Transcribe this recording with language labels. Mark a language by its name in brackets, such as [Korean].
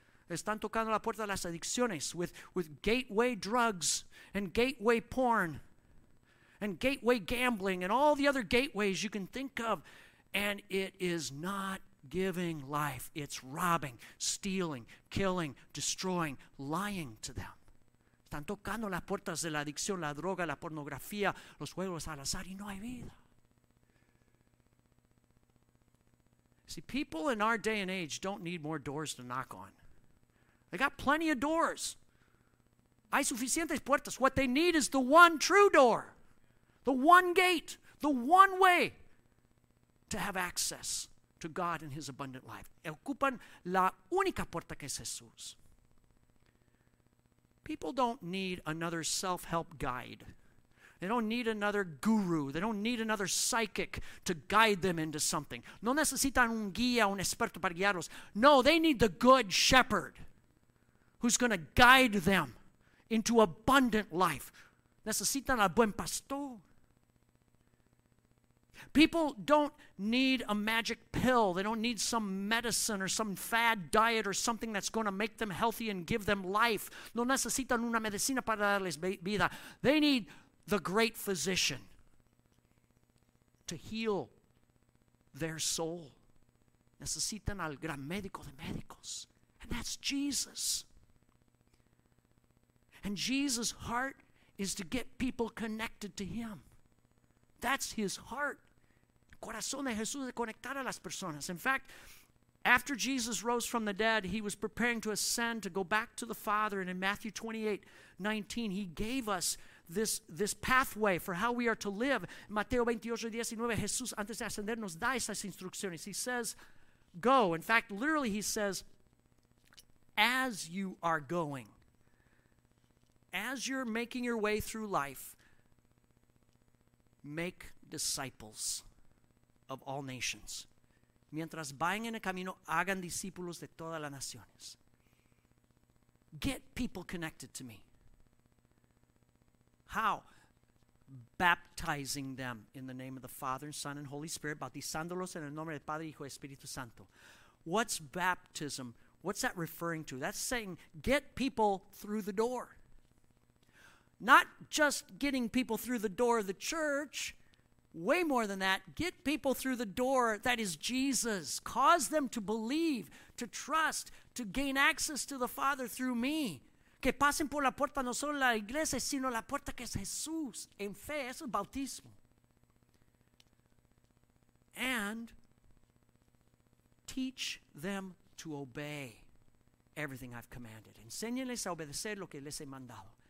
[Spanish] Están tocando la puerta de las adicciones [English] with gateway drugs and gateway porn and gateway gambling and all the other gateways you can think of. And it is not giving life. It's robbing, stealing, killing, destroying, lying to them. [Spanish] Están tocando las puertas de la adicción, la droga, la pornografía, los juegos al azar y no hay vida. [English] See, people in our day and age don't need more doors to knock on. They got plenty of doors. [Spanish] Hay suficientes puertas. [English] What they need is the one true door, the one gate, the one way to have access to God and His abundant life. [Spanish] Ocupan la única puerta que es Jesús. [English] People don't need another self-help guide. They don't need another guru. They don't need another psychic to guide them into something. [Spanish] No necesitan un guía, un experto para guiarlos. [English] No, they need the good shepherd who's going to guide them into abundant life. [Spanish] Necesitan al buen pastor. [English] People don't need a magic pill. They don't need some medicine or some fad diet or something that's going to make them healthy and give them life. [Spanish] No necesitan una medicina para darles vida. [English] They need the great physician to heal their soul. [Spanish] Necesitan al gran médico de médicos. [English] And that's Jesus. And Jesus' heart is to get people connected to Him. That's His heart. [Spanish] El corazón de Jesús es conectar a las personas. [English] In fact, after Jesus rose from the dead, He was preparing to ascend to go back to the Father. And in Matthew 28:19, He gave us this pathway for how we are to live. [Spanish] Mateo 28, 19, Jesús, antes de ascender, nos da esas instrucciones. [English] He says, go. In fact, literally he says, as you are going, as you're making your way through life, make disciples of all nations. [Spanish] Mientras vayan en el camino, hagan discípulos de todas las naciones. [English] Get people connected to me. How? Baptizing them in the name of the Father, Son, and Holy Spirit. [Spanish] Bautizándolos en el nombre del Padre, Hijo y Espíritu Santo. [English] What's baptism? What's that referring to? That's saying get people through the door. Not just getting people through the door of the church. Way more than that, get people through the door that is Jesus. Cause them to believe, to trust, to gain access to the Father through me. [Spanish] Que pasen por la puerta no solo la iglesia, sino la puerta que es Jesús. En fe, eso es bautismo. [English] And teach them to obey everything I've commanded. [Spanish] Enséñales a obedecer lo que les he mandado.